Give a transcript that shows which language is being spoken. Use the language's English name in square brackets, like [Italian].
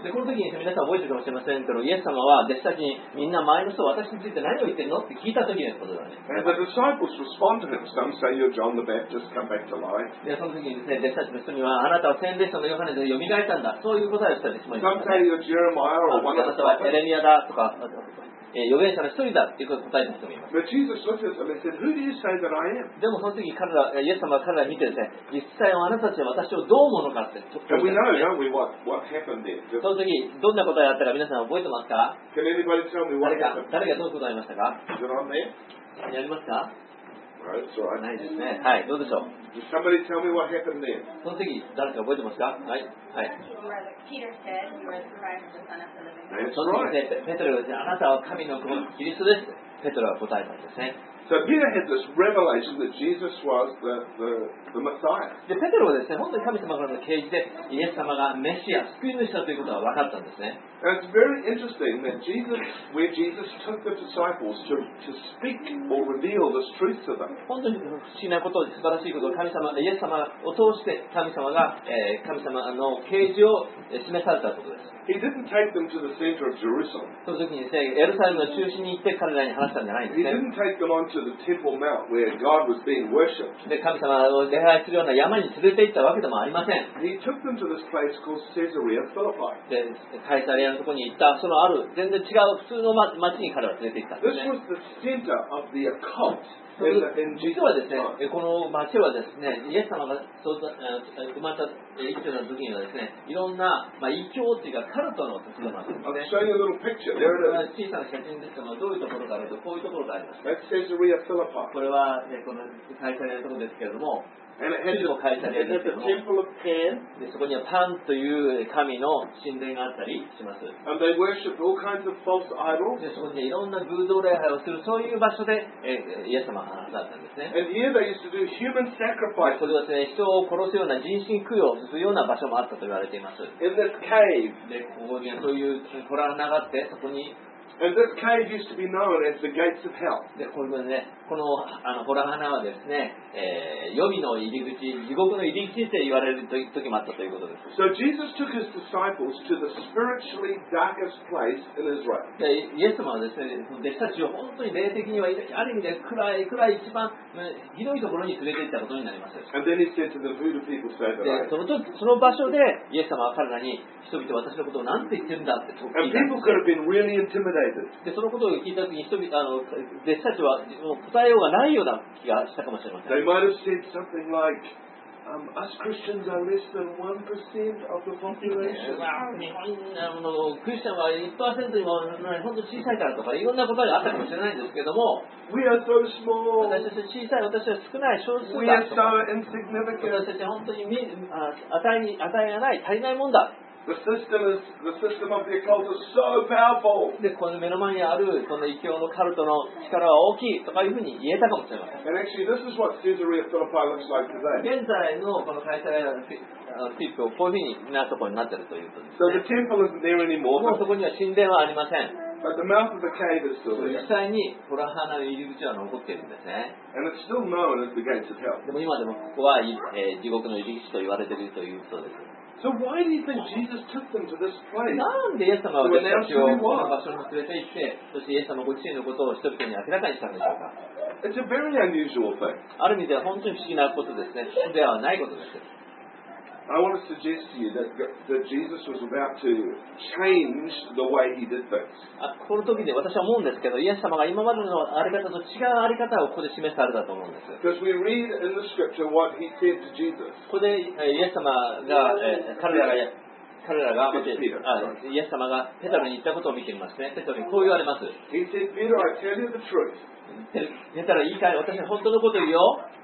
[English] And the disciples respond to him. Some say you're John the Baptist, come back to life. Some say you're Jeremiah or one of the prophets. [Japanese] 預言者の一人だということを答えた人もいますでもその時彼ら、イエス様は彼らを見てですね、実際はあなたたちは私をどう思うのかって [English] And we know, don't we, what happened there? [Japanese] その時どんなことがあったか皆さん覚えてますか？ [English] Can anybody tell me what happened? [Japanese] 誰がどういうことがありましたか？ [English] Is it on there? [Japanese] やりますか？ [English] Right, [Japanese] so、ないですね。はい、どうでしょう。 [English] Somebody tell me what happened then? [Japanese] その時誰か覚えてますか。はい、はい。その時ペ ペトロが、あなたは神の子、キリストです。ペトロは答えたんですね。 [English] So Peter had this revelation that Jesus was the Messiah. [Japanese] でペテロはですね、本当に神様からの啓示でイエス様がメシア、救い主だということが分かったんですね。 [English] And it's very interesting that Jesus, where Jesus took the disciples to speak or reveal this truth to them. [Japanese] 本当に不思議なこと、素晴らしいこと、神様、イエス様を通して神様が、神様の啓示を示されたことです。 [English] He didn't take them to the center of Jerusalem. [Japanese] その時にですね、エルサレムの中心に行って彼らに話したんじゃないんですね。 [English] He didn't take them onto the Temple Mount where God was being worshipped. [Japanese] で、神様を礼拝するような山に連れて行ったわけでもありません。 [English] He took them to this place called Caesarea Philippi. [Japanese] で、カイサリアのところに行った、そのある全然違う普通の町に彼らを連れて行ったんですね。 [English] This was the center of the occult. [Japanese] 実はですね、この町はですね、イエス様が生まれた生きてた時にはですね、いろんな、まあ、異教というかカルトの場所なんですね。 [English] I'll show you a little picture. [Japanese] 小さな写真ですけども、どういうところかというと、こういうところがあります。 [English] That's Caesarea Philippi. [Japanese] これは、ね、この会社のところですけれども、でそこにはパンという神の神殿があったりします。 [English] And they worshipped all kinds of false idols. [Japanese] でそこにいろんな偶像礼拝をするそういう場所でイエス様だったんですね。 [English] And here they used to do human sacrifice. [Japanese] それはですね、人を殺すような人身供養をするような場所もあったと言われています。 [English] In this cave. [Japanese] でここにそういう洞穴があってそこに。 [English] And this cave used to be known as the gates of hell. [Japanese] で、これはね、この、あの、ホラハナはですね、黄泉の入り口、地獄の入り口って言われる時もあったということです。 [English] So Jesus took his disciples to the spiritually darkest place in Israel. [Japanese] で、イエス様はですね、弟子たちを本当に霊的にはある意味で暗い一番ひどいところに連れて行ったことになります。 [English] And then he said to them, "Who do people say that?" [Japanese] で、その場所でイエス様は彼らに人々は私のことを何て言ってるんだって聞いたんです。 [English] And people could have been really intimidated. [Japanese] でそのことを聞いたときに人々あの弟子たちはもう答えようがないような気がしたかもしれません。 [English] They might have said something like, "Us Christians are less than 1% of the population." [Japanese] 日本のクリスチャンは 1% にも本当に小さいからとかいろんなことがあったかもしれないんですけども、 [English] We are so small. [Japanese] 私たちは小さい、私たちは少ない、少数だ。 [English] We are so insignificant. [Japanese] 私たちは本当に値がない、足りないもんだ。 [English] The system of the occult is so powerful. [Japanese] で、この目の前にあるその異教のカルトの力は大きいとかいうふうに言えたかもしれません。 [English] And actually, this is what Caesarea Philippi looks like today. [Japanese] 現在のこのカイサリアのフィップをこういうふうになるところになっているということですね。 [English] So the temple isn't there anymore. [Japanese] もうそこには神殿はありません。 [English] But the mouth of the cave is still there. [Japanese] 実際にホラハナの入り口は残っているんですね。 [English] And it's still known as the gates of hell. [Japanese] でも今でもここは、地獄の入り口と言われているということです。 [English] So why do you think Jesus took them to this place? [Japanese] なんでイエス様は弟子をこの場所に連れて行って、そしてイエス様ご自身のことを人々に明らかにしたんでしょうか? [English] It's a very unusual thing. [Japanese] ある意味では本当に不思議なことですね。不思議ではないことです。 [English] I want to suggest to you that Jesus was about to change the way he did things. [Japanese] あ、この時で私は思うんですけど、イエス様が今までのあり方と違うあり方をここで示されたと思うんです。 [English] Because we read in the scripture what he said to Jesus. [Japanese] ここでイエス様が、彼らが、イエス様がペトロに言ったことを見てみますね。ペトロにこう言われます。 [English] He said, "Peter, I tell you the truth." [Japanese] ペトロ言い換え、私は本当のことを言うよ。